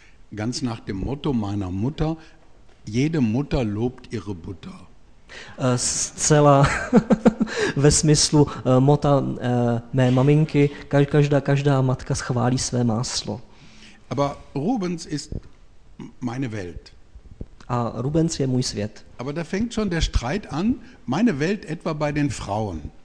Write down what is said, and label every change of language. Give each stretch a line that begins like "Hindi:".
German: Ganz nach dem Motto meiner Mutter: Jede Mutter lobt ihre Butter.
Czech: Zcela ve smyslu motta mé maminky: každá matka schválí své máslo.
German: Aber Rubens ist meine Welt.
Czech: A Rubens je můj svět.
German: Aber da fängt schon der Streit an, meine Welt etwa bei den Frauen.